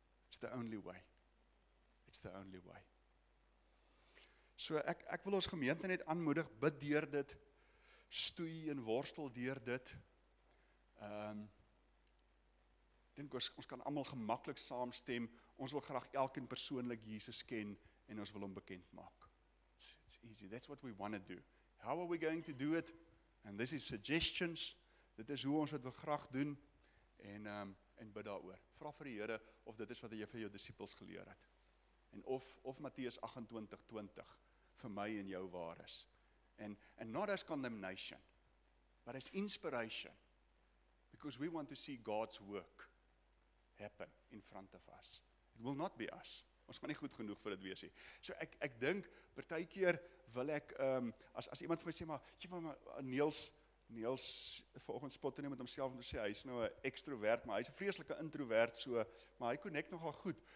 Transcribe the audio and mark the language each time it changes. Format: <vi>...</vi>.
<en>It's the only way. It's the only way.</en> <af>So ek wil ons gemeente net aanmoedig, bid deur dit, stoei en worstel deur dit. Dink ons kan almal gemaklik saamstem, ons wil graag elkeen persoonlik Jesus ken, en ons wil hom bekend maak.</af> <en>It's easy, that's what we want to do. How are we going to do it? And this is suggestions.</en> <af>Dit is hoe ons dit wil graag doen en bid daaroor. Vra vir die Here of dit is wat jy vir jou disippels geleer het. En of Matteus 28:20 vir my en jou waar is.</af> <en>And not as condemnation, but as inspiration. Because we want to see God's work happen in front of us. It will not be us.</en> <af>Ons gaan nie goed genoeg vir dit wees nie. So ek dink, partykeer wil ek, as iemand vir my sê, maar Niels, volgens spot in met homself, en sê, hy is nou een extrovert, maar hy is een vreselike introvert, so, maar hy connect nogal goed.</af>